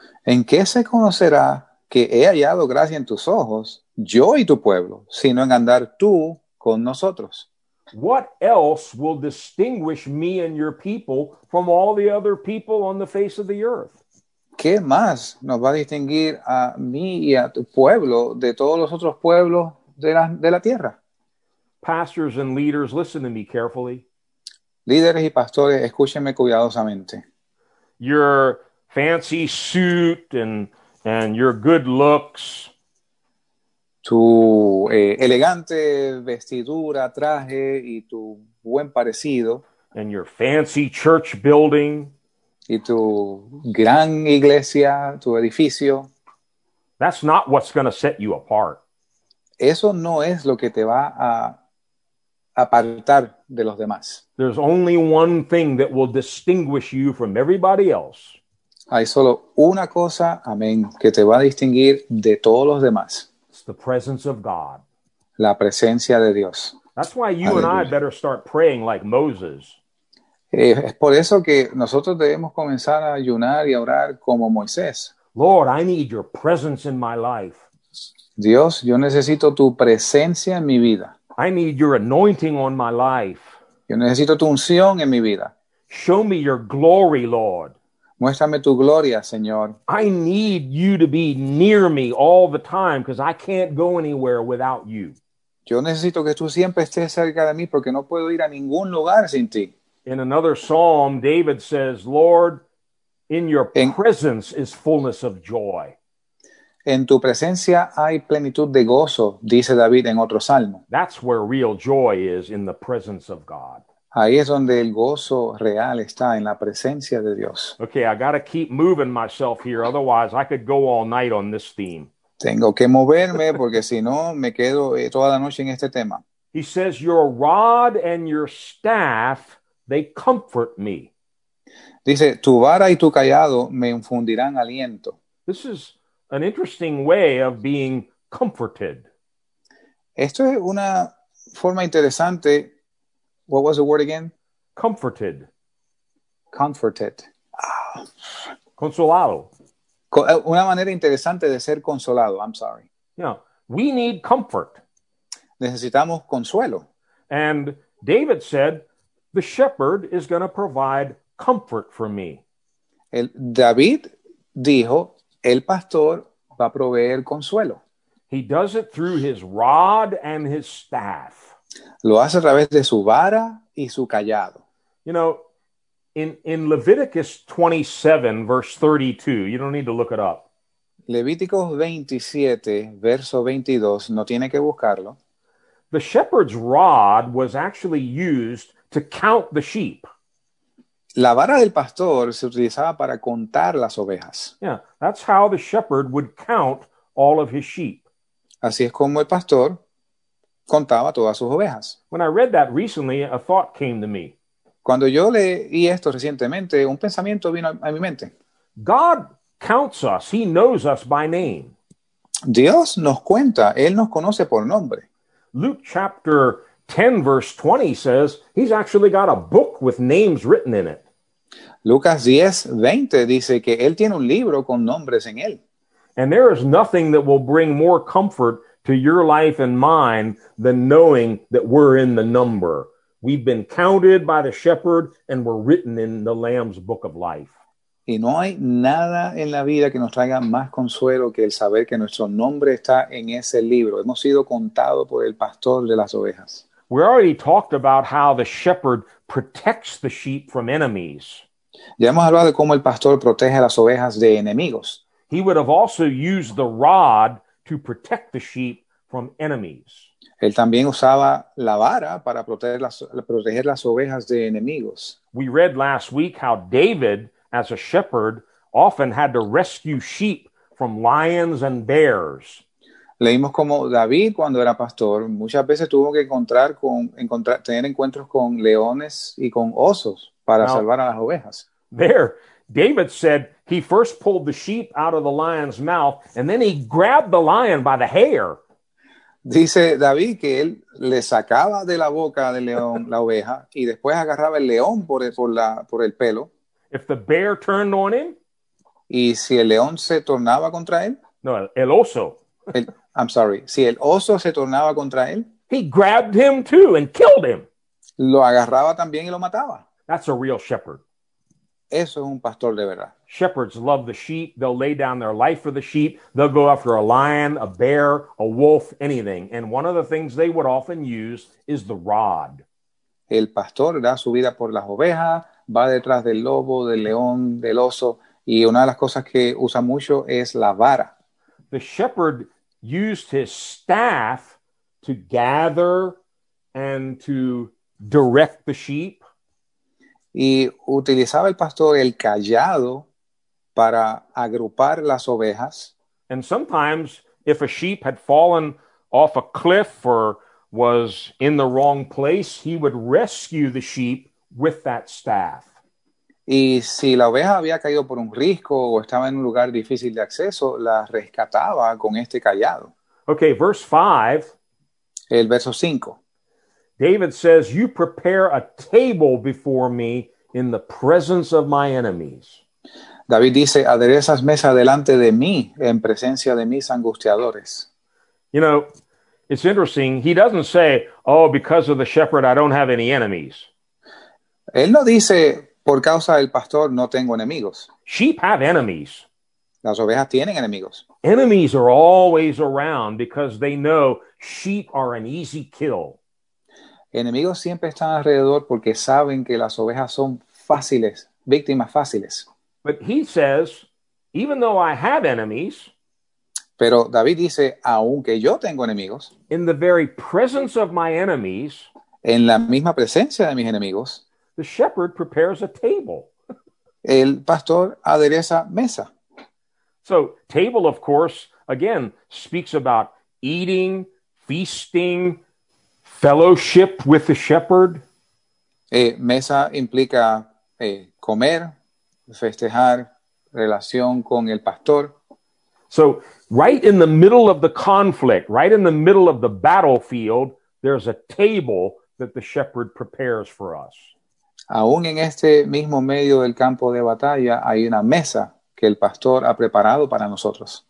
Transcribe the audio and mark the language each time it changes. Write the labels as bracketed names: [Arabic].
[Spanish] ¿En qué se conocerá que he hallado gracia en tus ojos, yo y tu pueblo, sino en andar tú con nosotros? [English] What else will distinguish me and your people from all the other people on the face of the earth? [Spanish] ¿qué más nos va a distinguir a mí y a tu pueblo de todos los otros pueblos de la tierra? [English] Pastors and leaders, listen to me carefully. [Spanish] Líderes y pastores, escúchenme cuidadosamente. [English] Your fancy suit and your good looks. [Spanish] Tu elegante vestidura, traje y tu buen parecido. [English] And your fancy church building. [Spanish] Y tu gran iglesia, tu edificio. [English] That's not what's going to set you apart. [Spanish] Eso no es lo que te va a apartar de los demás. [English] There's only one thing that will distinguish you from everybody else. [Spanish] Hay solo una cosa, amén, que te va a distinguir de todos los demás. [English] It's the presence of God. [Spanish] La presencia de Dios. [English] That's why you Aleluya. And I better start praying like Moses. [Spanish] Es por eso que nosotros debemos comenzar a ayunar y a orar como Moisés. [English] Lord, I need your presence in my life. [Spanish] Dios, yo necesito tu presencia en mi vida. [English] I need your anointing on my life. [Spanish] Yo necesito tu unción en mi vida. [English] Show me your glory, Lord. [Spanish] Muéstrame tu gloria, Señor. [English] I need you to be near me all the time because I can't go anywhere without you. [Spanish] Yo necesito que tú siempre estés cerca de mí porque no puedo ir a ningún lugar sin ti. [English] In another psalm, David says, Lord, in your presence is fullness of joy. [Spanish] En tu presencia hay plenitud de gozo, dice David en otro salmo. [English] That's where real joy is, in the presence of God. [Spanish] Ahí es donde el gozo real está, en la presencia de Dios. [English] Okay, I got to keep moving myself here, otherwise I could go all night on this theme. [Spanish] Tengo que moverme porque si no me quedo toda la noche en este tema. [English] He says, your rod and your staff, they comfort me. [Spanish] Dice, tu vara y tu callado me infundirán aliento. [English] This is an interesting way of being comforted. [Spanish] Esto es una forma interesante. [English] What was the word again? Comforted. Comforted. [Spanish] Consolado. Una manera interesante de ser consolado. [English] I'm sorry. Yeah. We need comfort. [Spanish] Necesitamos consuelo. [English] And David said, the shepherd is going to provide comfort for me. [Spanish] David dijo, el pastor va a proveer consuelo. [English] He does it through his rod and his staff. [Spanish] Lo hace a través de su vara y su callado. [English] You know, in Leviticus 27, verse 32, you don't need to look it up. [Spanish] Levíticos 27, verso 22, no tiene que buscarlo. [English] The shepherd's rod was actually used to count the sheep. [Spanish] La vara del pastor se utilizaba para contar las ovejas. [English] Yeah, that's how the shepherd would count all of his sheep. [Spanish] Así es como el pastor contaba todas sus ovejas. [English] When I read that recently, a thought came to me. [Spanish] Cuando yo leí esto recientemente, un pensamiento vino a mi mente. [English] God counts us. He knows us by name. [Spanish] Dios nos cuenta. Él nos conoce por nombre. [English] Luke chapter 10, verse 20 says he's actually got a book with names written in it. [Spanish] Lucas 10, 20 dice que él tiene un libro con nombres en él. [English] And there is nothing that will bring more comfort to your life and mine than knowing that we're in the number. We've been counted by the shepherd and we're written in the Lamb's book of life. [Spanish] Y no hay nada en la vida que nos traiga más consuelo que el saber que nuestro nombre está en ese libro. Hemos sido contados por el pastor de las ovejas. [English] We already talked about how the shepherd protects the sheep from enemies. [Spanish] Ya hemos hablado de cómo el pastor protege a las ovejas de enemigos. [English] He would have also used the rod to protect the sheep from enemies. [Spanish] Él también usaba la vara para proteger las ovejas de enemigos. [English] We read last week how David, as a shepherd, often had to rescue sheep from lions and bears. [Spanish] Leímos como David, cuando era pastor, muchas veces tuvo que tener encuentros con leones y con osos para salvar a las ovejas. [English] There, David said he first pulled the sheep out of the lion's mouth and then he grabbed the lion by the hair. [Spanish] Dice David que él le sacaba de la boca del león la oveja y después agarraba el león por el pelo. [English] If the bear turned on him? [Spanish] ¿Y si el león se tornaba contra él? No, el oso. [English] I'm sorry. [Spanish] ¿Si el oso se tornaba contra él? [English] He grabbed him too and killed him. [Spanish] Lo agarraba también y lo mataba. [English] That's a real shepherd. [Spanish] Eso es un pastor de verdad. [English] Shepherds love the sheep. They'll lay down their life for the sheep. They'll go after a lion, a bear, a wolf, anything. And one of the things they would often use is the rod. [Spanish] El pastor da su vida por las ovejas, va detrás del lobo, del león, del oso. Y una de las cosas que usa mucho es la vara. [English] The shepherd used his staff to gather and to direct the sheep. [Spanish] Y utilizaba el pastor el cayado para agrupar las ovejas. [English] And sometimes, if a sheep had fallen off a cliff or was in the wrong place, he would rescue the sheep with that staff. [Spanish] Y si la oveja había caído por un risco o estaba en un lugar difícil de acceso, la rescataba con este cayado. [English] Okay, verse 5. [Spanish] El verso 5. [English] David says, "You prepare a table before me in the presence of my enemies." [Spanish] David dice, "Aderezas mesa delante de mí en presencia de mis angustiadores." [English] You know, it's interesting. He doesn't say, "Oh, because of the shepherd, I don't have any enemies." [Spanish] Él no dice, "Por causa del pastor, no tengo enemigos." [English] Sheep have enemies. [Spanish] Las ovejas tienen enemigos. [English] Enemies are always around because they know sheep are an easy kill. [Spanish] Enemigos siempre están alrededor porque saben que las ovejas son fáciles, víctimas fáciles. [English] But he says, even though I have enemies, [Spanish] pero David dice, aunque yo tengo enemigos, [English] in the very presence of my enemies, [Spanish] en la misma presencia de mis enemigos, [English] the shepherd prepares a table. [Spanish] El pastor adereza mesa. [English] So, table, of course, again, speaks about eating, feasting, fellowship with the shepherd. [Spanish] Mesa implica comer, festejar, relación con el pastor. [English] So, right in the middle of the conflict, right in the middle of the battlefield, there's a table that the shepherd prepares for us. [Spanish] Aún en este mismo medio del campo de batalla, hay una mesa que el pastor ha preparado para nosotros.